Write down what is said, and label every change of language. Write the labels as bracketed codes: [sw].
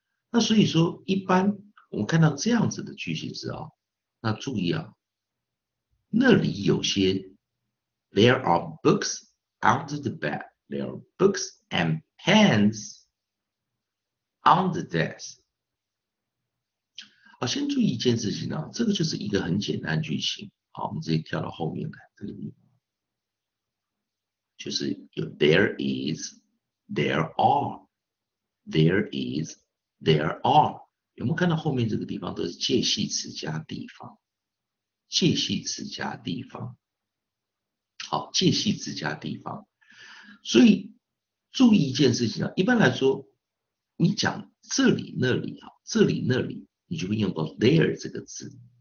[zh] 那所以说，一般我们看到这样子的句型是那注意那里有些 ， [en] there are books under the bed, there are books and pens on the desk。 [zh] 先注意一件事情这个就是一个很简单句型。我们直接跳到后面来这个地方。就是有 [en] there is, there are, there is, there are, [zh] 有没有看到后面这个地方都是介系词加地方？介系词加地方，好，介系词加地方。所以注意一件事情啊，一般来说，你讲这里那里啊，这里那里，你就会用到 there 这个字。